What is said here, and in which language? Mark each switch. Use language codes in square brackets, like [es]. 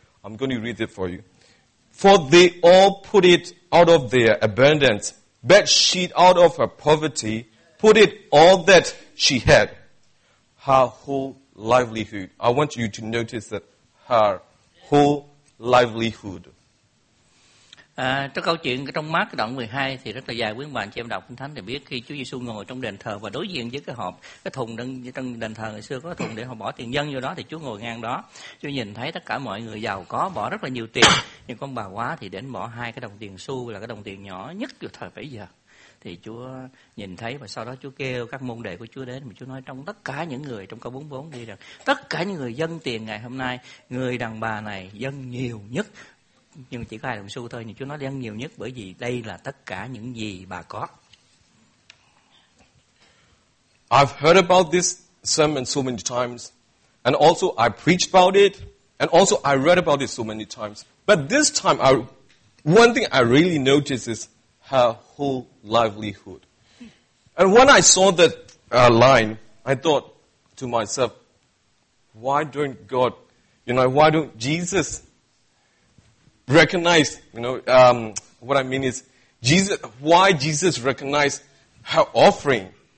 [en] I'm going to read it for you. For they all put it out of their abundance, but she out of her poverty put it all that she had, her whole livelihood. I want you to notice that her whole livelihood. [vi] Trong câu chuyện trong Mark đoạn 12 thì rất là dài, quý ông bà anh chị em đọc Kinh Thánh thì biết khi Chúa Giêsu ngồi trong đền thờ và đối diện với cái hộp, cái thùng trong đền thờ ngày xưa có thùng để họ bỏ tiền dân vô đó, thì Chúa ngồi ngang đó. Chúa nhìn thấy tất cả mọi người giàu có bỏ rất là nhiều tiền, nhưng con bà quá thì đến bỏ hai cái đồng tiền xu, là cái đồng tiền nhỏ nhất của thời bấy giờ. Thì Chúa nhìn thấy và sau đó Chúa kêu các môn đệ của Chúa đến mà Chúa nói trong tất cả những người trong câu 44 đi rằng tất cả những người dân tiền ngày hôm nay, người đàn bà này dân nhiều nhất. Nhưng chỉ có hai đồng xu thôi, nhưng Chúa nói dân nhiều nhất bởi vì đây là tất cả những gì bà có. [en] I've heard about this sermon so many times, and also I preached about it, and also I read about it so many times. But this time, one thing I really noticed is her whole livelihood. And when I saw that line, I thought to myself, why don't Jesus recognize, you know, what I mean is, why Jesus recognized her offering.